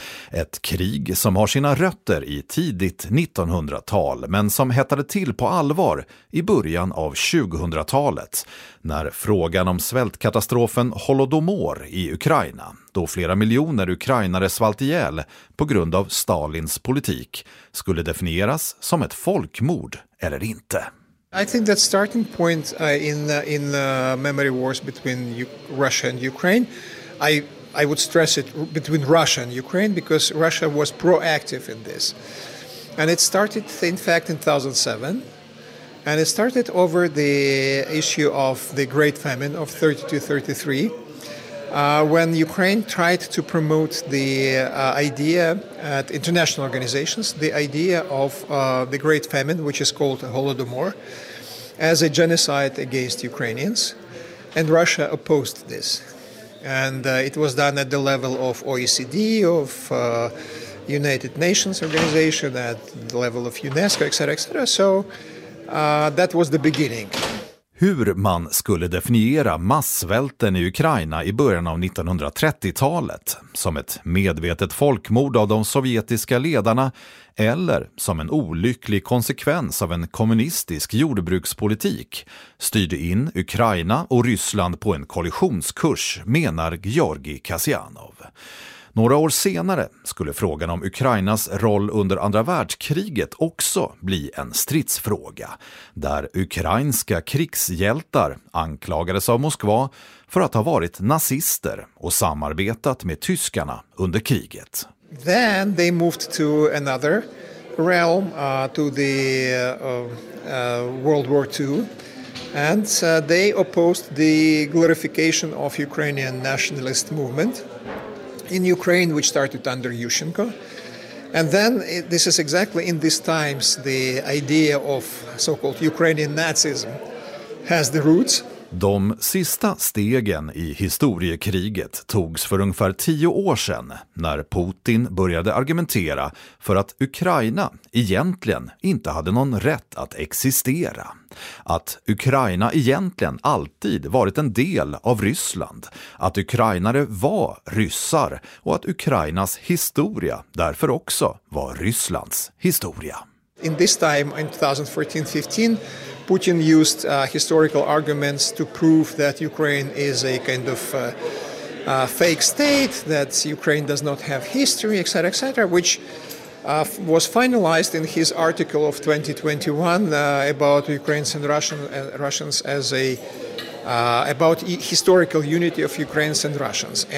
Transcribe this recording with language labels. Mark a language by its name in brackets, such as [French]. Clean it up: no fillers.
[Swedish] Ett krig som har sina rötter i tidigt 1900-tal men som hettade till på allvar i början av 2000-talet när frågan om svältkatastrofen Holodomor i Ukraina, då flera miljoner ukrainare svalt ihjäl på grund av Stalins politik, skulle definieras som ett folkmord eller inte. [English] I think that starting point in memory wars between Russia and Ukraine, I would stress it between Russia and Ukraine, because Russia was proactive in this. And it started, in fact, in 2007. And it started over the issue of the Great Famine of 32-33, when Ukraine tried to promote the idea at international organizations, the idea of the Great Famine, which is called Holodomor, as a genocide against Ukrainians. And Russia opposed this. And it was done at the level of OECD, of United Nations organization, at the level of UNESCO, etc., etc. So that was the beginning. [Swedish] Hur man skulle definiera massvälten i Ukraina i början av 1930-talet, som ett medvetet folkmord av de sovjetiska ledarna eller som en olycklig konsekvens av en kommunistisk jordbrukspolitik, styrde in Ukraina och Ryssland på en kollisionskurs, menar Georgi Kasianov. Några år senare skulle frågan om Ukrainas roll under andra världskriget också bli en stridsfråga, där ukrainska krigshjältar anklagades av Moskva för att ha varit nazister och samarbetat med tyskarna under kriget. [English] Then they moved to another realm, to the World War II, and they opposed the glorification of Ukrainian nationalist movement in Ukraine, which started under Yushchenko. And then this is exactly in these times the idea of so-called Ukrainian Nazism has the roots. [Swedish] De sista stegen i historiekriget togs för ungefär 10 år sedan när Putin började argumentera för att Ukraina egentligen inte hade någon rätt att existera. Att Ukraina egentligen alltid varit en del av Ryssland, att ukrainare var ryssar och att Ukrainas historia därför också var Rysslands historia. [English] In this time, in 2014-15, Putin used historical arguments to prove that Ukraine is a kind of fake state, that Ukraine does not have history, etc., etc., which was finalized in his article of 2021 about Ukrainians and Russians as a about historical unity of Ukrainians and Russians.